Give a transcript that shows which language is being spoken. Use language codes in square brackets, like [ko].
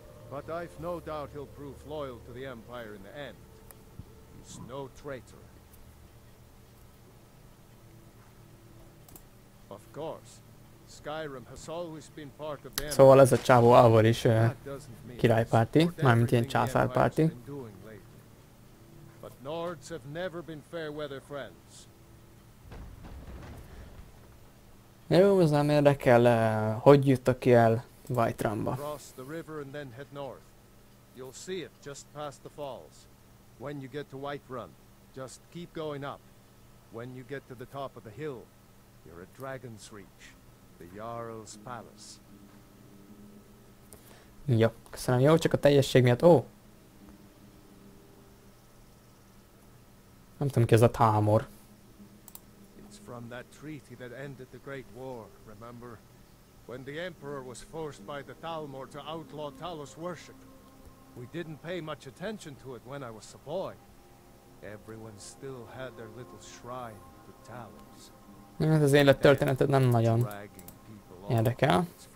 [en] But I've no doubt he'll prove loyal to the Empire in the end. No traitor. Of course, Skyrim has always been part of them. [hu] Szóval ez a csávó Alvor is királypárti, mármint ilyen császárpárti. [en] But Nords have never been fair weather friends. [hu] Jó, ez nem érdekel, hogy jöttek ki el Whiterunba. [en] Cross the river and then head north. You'll see it just past the falls. When you get to Whiterun, just keep going up. When you get to the top of the hill, you're at Dragon's Reach, the Jarl's Palace. [hu] Jó, köszönöm. Jó, csak a teljesség miatt. Ó! Nem tudom, ki ez a támor. [en] It's from that treaty that ended the Great War, remember? When the Emperor was forced by the Talmor to outlaw Talos worship. We didn't pay much attention to it when I was a boy. Everyone still had their little shrine to Talos. [hu] Mert az élettörténeted nem nagyon érdekel.